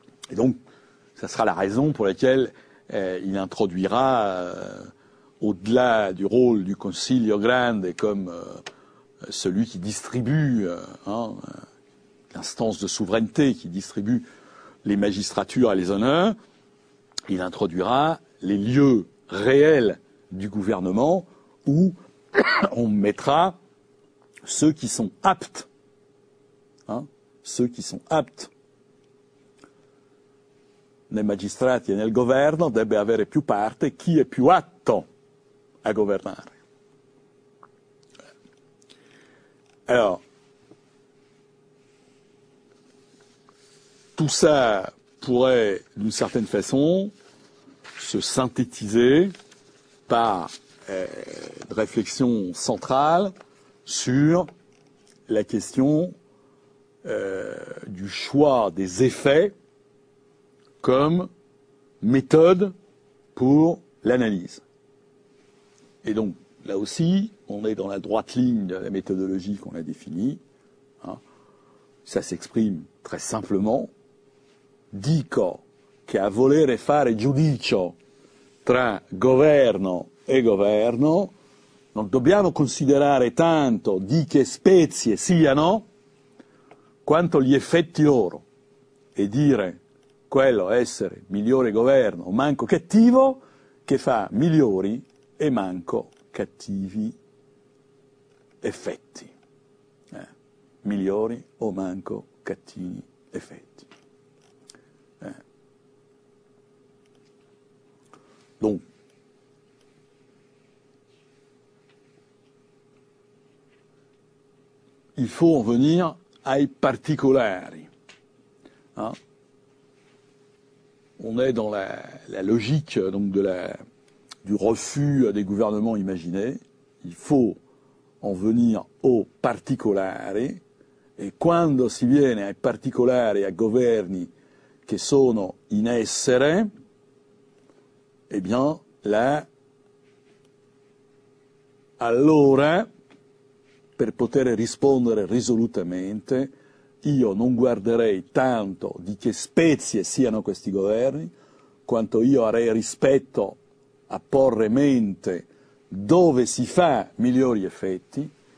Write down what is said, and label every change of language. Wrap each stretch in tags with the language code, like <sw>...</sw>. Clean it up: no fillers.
<fr>Et donc, ça sera la raison pour laquelle il introduira, au-delà du rôle du Consiglio Grande comme celui qui distribue, hein, l'instance de souveraineté qui distribue les magistratures et les honneurs, il introduira les lieux réels du gouvernement où on mettra ceux qui sont aptes, hein, ceux qui sont aptes.</fr> <it>Nei magistrati e nel governo deve avere più parte chi è più atto a governare.</it> <fr>Alors, tout ça pourrait, d'une certaine façon, se synthétiser par une réflexion centrale sur la question du choix des effets comme méthode pour l'analyse. Et donc, là aussi, on est dans la droite ligne de la méthodologie qu'on a définie. Hein. Ça s'exprime très simplement.</fr> <it>Dico che a volere fare giudizio tra governo e governo, non dobbiamo considerare tanto di che spezie siano, quanto gli effetti loro. E dire quello essere migliore governo o manco cattivo, che fa migliori e manco cattivi effetti. Migliori o manco cattivi effetti.</it> <fr>Dunque, il faut en venir ai particolari. Hein? On est dans la logique donc du refus des gouvernements imaginés. Il faut en venir aux particolari.</fr> <it>E quando si viene ai particolari, a governi che sono in essere, eh bien, allora, per poter rispondere risolutamente, io non guarderei tanto di che spezie siano questi governi, quanto io avrei rispetto a porre mente dove si fa migliori effetti</it>